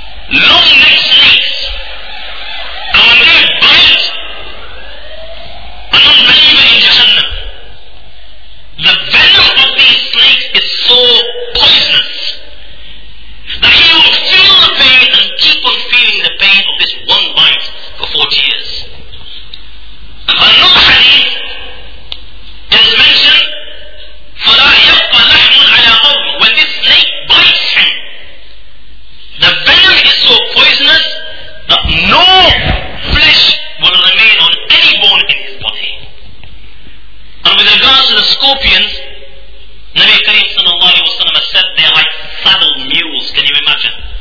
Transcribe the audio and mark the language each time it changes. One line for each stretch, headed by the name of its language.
English: Long-necked snakes. And when they bite an unbeliever in Jahannam, the venom of these snakes is so poisonous that he will feel the pain and keep on feeling the pain of this one bite for 40 years. Another hadith is mentioned,
Arabic: فَلَا يَبْقَ لَحْمٌ عَلَىٰ قَوْمٍ.
English: When this snake bites him, the venom is so poisonous that no flesh will remain on any bone in his body. And with regards to the scorpions, Nabi Kareem sallallahu alayhi wa sallam has said they are like saddled mules. Can you imagine?